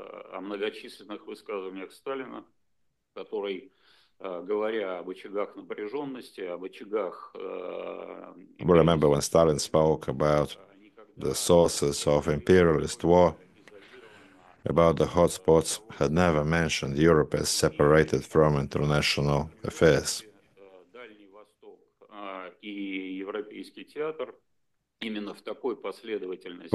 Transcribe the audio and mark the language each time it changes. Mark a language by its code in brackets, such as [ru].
[ru] О многочисленных высказываниях Сталина, который, говоря об очагах напряженности, об очагах... [en] We remember when Stalin spoke about the sources of imperialist war, about the hotspots, had never mentioned Europe as separated from international affairs. [ru] Дальний Восток и Европейский театр, именно в такой последовательности...